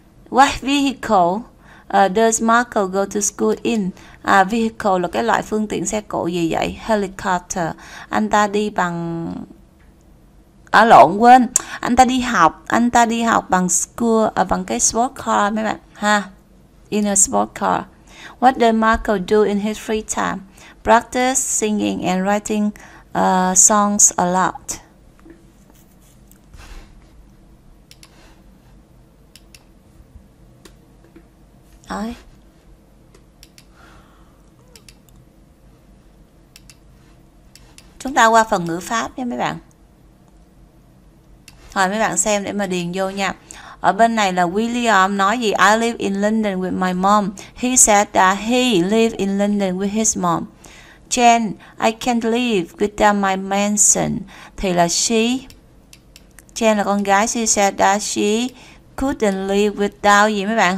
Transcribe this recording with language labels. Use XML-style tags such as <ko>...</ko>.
<en>What vehicle does Marco go to school in?</en> <vi>Vehicle là cái loại phương tiện xe cộ gì vậy? Helicopter. Anh ta đi bằng... lộn quên. Anh ta đi học. Anh ta đi học bằng school, bằng cái sport car mấy bạn. Ha.</vi> <en>In a sport car. What does Marco do in his free time? Practice singing and writing songs a lot.</en> <vi>Ai? Chúng ta qua phần ngữ pháp nha mấy bạn. Rồi mấy bạn xem để mà điền vô nha. Ở bên này là William nói gì?</vi> <en>I live in London with my mom. He said that he live in London with his mom. Jen, I can't live without my mansion.</en> <vi>Thì là she. Jen là con gái.</vi> <en>She said that she couldn't live without</en> <vi>gì mấy bạn?</vi>